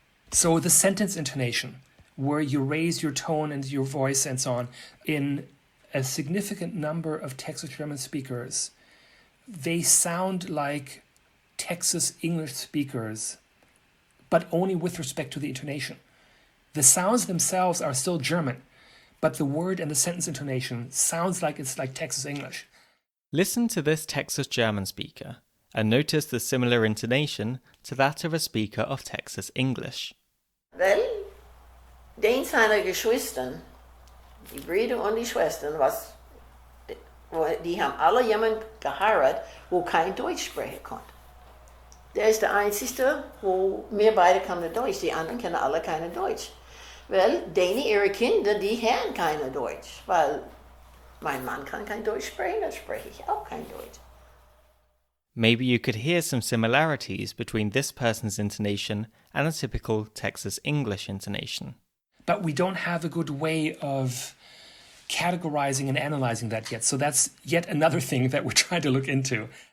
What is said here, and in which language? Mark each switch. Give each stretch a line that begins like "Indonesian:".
English: So the sentence intonation, where you raise your tone and your voice and so on, in a significant number of Texas German speakers, they sound like Texas English speakers, but only with respect to the intonation. The sounds themselves are still German, but the word and the sentence intonation sounds like it's like Texas English. Listen to this Texas German speaker and notice the similar intonation to that of a speaker of Texas English.
German: Well, den seiner Geschwistern, die Brüder und die Schwestern, was die haben alle jemand geheiratet, wo kein Deutsch sprechen konnte. Der ist der Einzige, wo wir beide können Deutsch, die anderen können alle keine Deutsch. Weil deine, ihre Kinder, die haben keine Deutsch, weil mein Mann kann kein Deutsch sprechen, dann spreche ich auch kein Deutsch.
English: Maybe you could hear some similarities between this person's intonation and a typical Texas English intonation. But we don't have a good way of categorizing and analyzing that yet. So that's yet another thing that we're trying to look into.